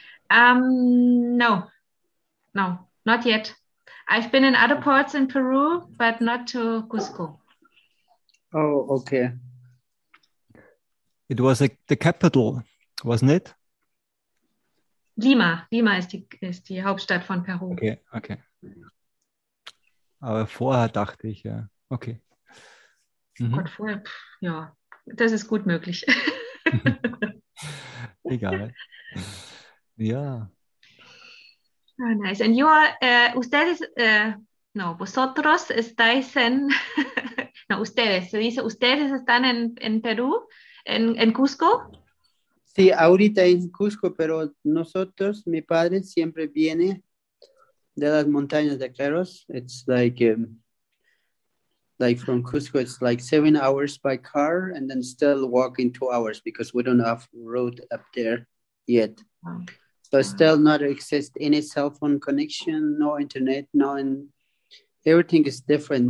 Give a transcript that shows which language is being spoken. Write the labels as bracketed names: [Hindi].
[English] No, not yet. I've been in other parts in Peru, but not to Cusco. Oh, okay. It was like the capital, wasn't it? Lima. [German] Lima ist die Hauptstadt von Peru. Okay, okay. Aber vorher dachte ich, ja. Okay. Mhm. Gott, vorher, ja. Das ist gut möglich. Egal. Ja. [English] Oh, nice. And you are, [Spanish] ustedes, no, vosotros estáis en, no, ustedes, se dice, ustedes están en Perú, en Cusco? Sí, ahorita en Cusco, pero nosotros, mi padre siempre viene de las montañas de Claros. [English] It's like from Cusco, it's like 7 hours by car, and then still walking 2 hours because we don't have road up there yet. So still not exist any cell phone connection, no internet, no, and everything is different.